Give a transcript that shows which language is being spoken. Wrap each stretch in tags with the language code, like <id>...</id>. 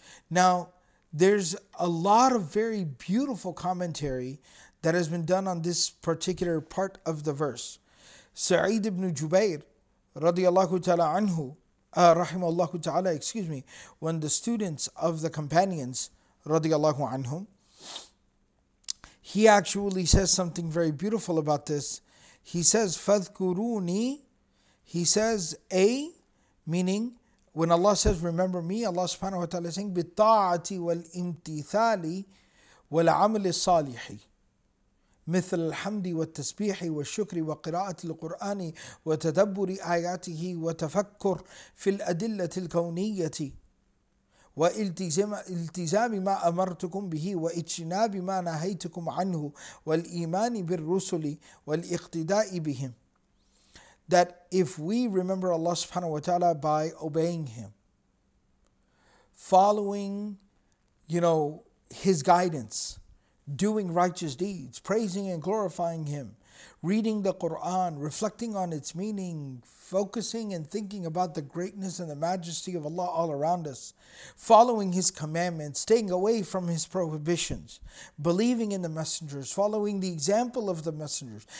<en>Now, there's a lot of very beautiful commentary that has been done on this particular part of the verse. Sa'id ibn Jubayr, radiyallahu ta'ala anhu, rahimahullahu ta'ala, excuse me, when the students of the companions, radiyallahu anhum, he actually says something very beautiful about this. He says, فَذْكُرُونِي, he says, A, meaning, when Allah says, remember me, Allah subhanahu wa ta'ala is saying,</en> <ar>بِالطَّاعَةِ وَالْإِمْتِثَالِ وَالْعَمْلِ الصَّالِحِ مثل الحمد والتسبيح والشكر وقراءة القرآن وتدبر آياته وتفكر في الأدلة الكونية والتزام ما أمرتكم به واجتناب ما نهيتكم عنه والإيمان بالرسل والاقتداء بهم.</ar> <en>That if we remember Allah subhanahu wa ta'ala by obeying Him, following, you know, His guidance, doing righteous deeds, praising and glorifying Him, reading the Qur'an, reflecting on its meaning, focusing and thinking about the greatness and the majesty of Allah all around us, following His commandments, staying away from His prohibitions, believing in the messengers, following the example of the messengers.</en>